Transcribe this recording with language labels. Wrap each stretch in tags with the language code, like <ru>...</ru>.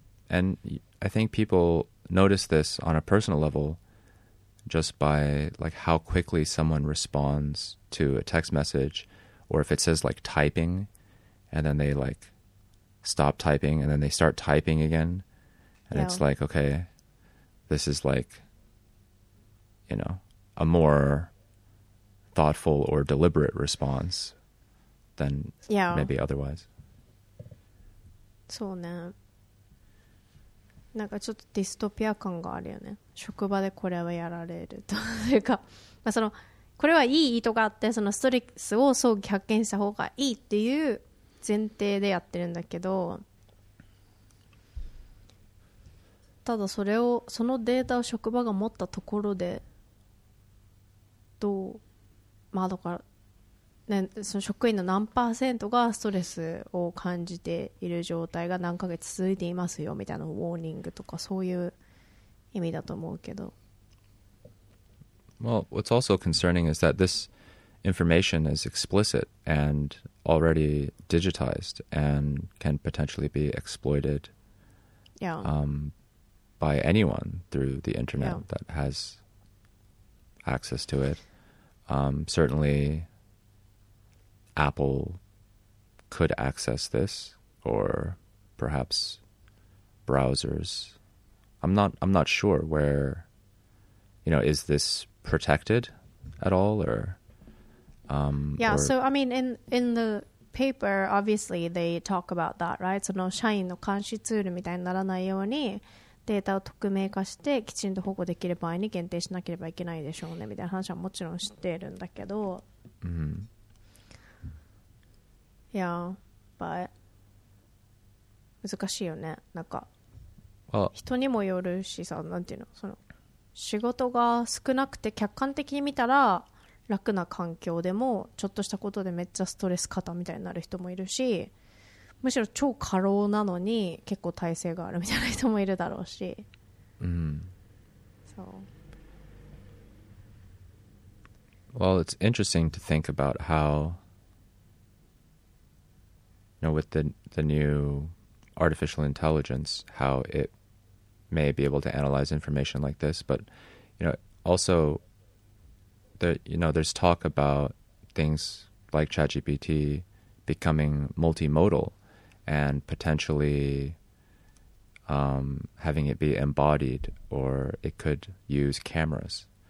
<en>And I think people notice this on a personal level just by like how quickly someone responds to a text message, or if it says like typing and then they like stop typing and then they start typing again. And it's like, okay, this is like, you know, a more thoughtful or deliberate response than maybe otherwise.</en> <ja>そうね。なんかちょっとディストピア感があるよね。職場でこれはやられるというか、まあ、そのこれはいい意図があって、そのストレスを早期発見した方がいいっていう前提でやってるんだけど、ただそれをそのデータを職場が持ったところでどう、まあだから、ね、その職員の何パーセントがストレスを感じている状態が何ヶ月続いていますよみたいなウォーニングとかそういう意味だと思うけど。</ja> <en>Well, what's also concerning is that this information is explicit and already digitized and can potentially be exploited by anyone through the internet that has access to it. Certainly Apple could access this, or perhaps browsers. I'm not sure where, you know, is this protected at all, or so I mean in the paper obviously they talk about that, right?</en> <ja>その社員の監視ツールみたいにならないようにデータを匿名化してきちんと保護できる場合に限定しなければいけないでしょうねみたいな話はもちろん知っているんだけど、but 難しいよね。なんか人にもよるしさ、なんていうの、その仕事が少なくて客観的に見たら楽な環境でもちょっとしたことでめっちゃストレス肩みたいになる人もいるし、むしろ超過労なのに結構耐性があるみたいな人もいるだろうし、そう。</ja> <en>Well, it's interesting to think about how, you know, with the new artificial intelligence, how it may be able to analyze information like this, but, you know, also there's talk about things like ChatGPT becoming multimodal and potentially having it be embodied, or it could use cameras.</en>